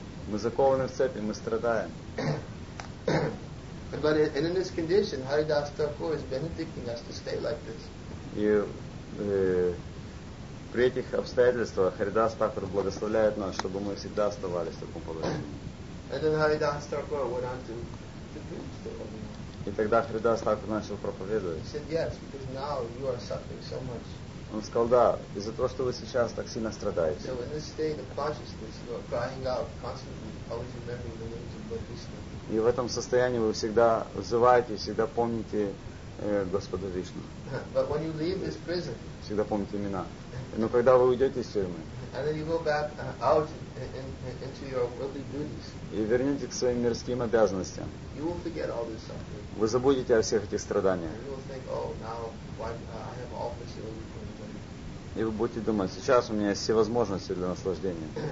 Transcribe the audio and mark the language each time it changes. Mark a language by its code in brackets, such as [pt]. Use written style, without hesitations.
[ru] Мы закованы в цепи, мы страдаем. [en] But in this condition, Haridas Thakur is benedicting us to stay like this. [ru] И при этих обстоятельствах Харидас Такур благословляет нас, чтобы мы всегда оставались в таком положении. [en] And then Haridas Thakur went on to [ru] И тогда Харидас Такур начал проповедовать. [en] He said, yes, because now you are suffering so much. [ru] Он сказал, да, из-за того, что вы сейчас так сильно страдаете. [en] So in this state of consciousness, you are crying out constantly, always remembering the names of Lord Vishnu. [ru] И в этом состоянии вы всегда взываете, всегда помните Господа Вишну. [en] But when you leave this prison, [ru] всегда помните имена. Но когда вы уйдете из тюрьмы, [en] and then you go back out into your worldly duties, [ru] и вернетесь к своим мирским обязанностям, [en] you will forget all this suffering. [ru] Вы забудете о всех этих страданиях. [en] And you will think, oh, now I have all facilities. [ru] И вы будете думать, сейчас у меня есть все возможности для наслаждения.